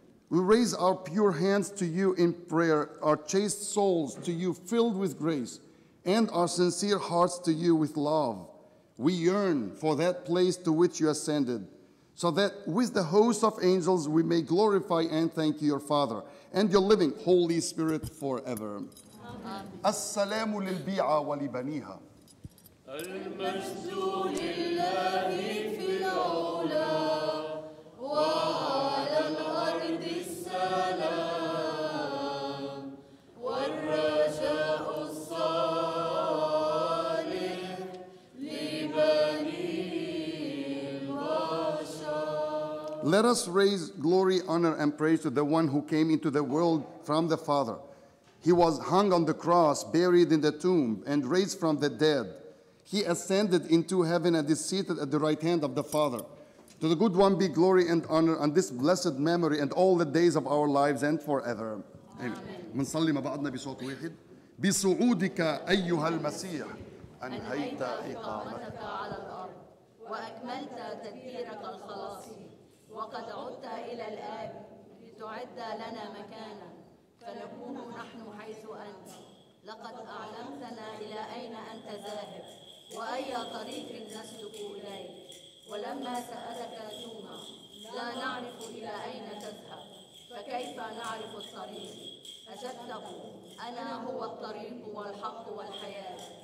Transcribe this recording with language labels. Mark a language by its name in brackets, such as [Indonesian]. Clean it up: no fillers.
[English] We raise our pure hands to you in prayer, our chaste souls to you filled with grace, and our sincere hearts to you with love. We yearn for that place to which you ascended, so that with the host of angels we may glorify and thank your Father and your living Holy Spirit forever. [Arabic] السلام للبيعة ولبنيها. المجد لله في العلا وعلى الأرض السلام والرجاء [English] Let us raise glory, honor, and praise to the one who came into the world from the Father. He was hung on the cross, buried in the tomb, and raised from the dead. He ascended into heaven and is seated at the right hand of the Father. To the good one be glory and honor on this blessed memory and all the days of our lives and forever. Amen. [Arabic] نصلي مع بعضنا بصوت واحد. بصعودك أيها المسيح أنهيت إقامتك على الأرض وأكملت تدبيرك الخلاصي. وقد عدت إلى الآب لتعد لنا مكانا فنكون نحن حيث أنت لقد أعلمتنا إلى أين أنت ذاهب وأي طريق نسلك إليه ولما سألك توما لا نعرف إلى أين تذهب فكيف نعرف الطريق أجبته أنا هو الطريق والحق والحياة